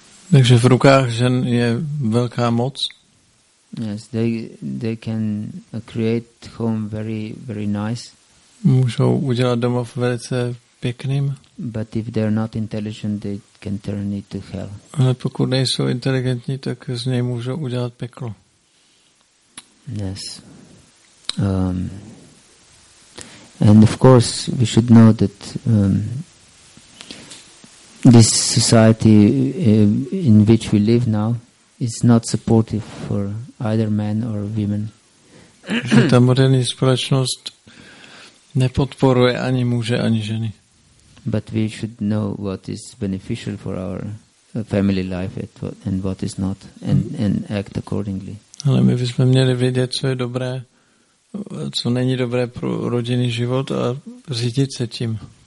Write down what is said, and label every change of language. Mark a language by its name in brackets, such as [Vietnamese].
[Czech] Takže v rukách žen je velká moc. [English] Yes, they can create home very very nice. [Czech] Můžou udělat domov velice pěkným. [English] But if they're not intelligent, they can turn it to hell. [Czech] Ale pokud nejsou inteligentní, tak z něj můžou udělat peklo. [English] Yes. And of course, we should know that this society in which we live now is not supportive for either men or women. [Czech] Že ta moderní společnost nepodporuje ani muže, ani ženy. [English] But we should know what is beneficial for our family life and what is not, and act accordingly. Ale my bychom měli vědět, co je dobré, co není dobré pro rodinný život a řídit se tím.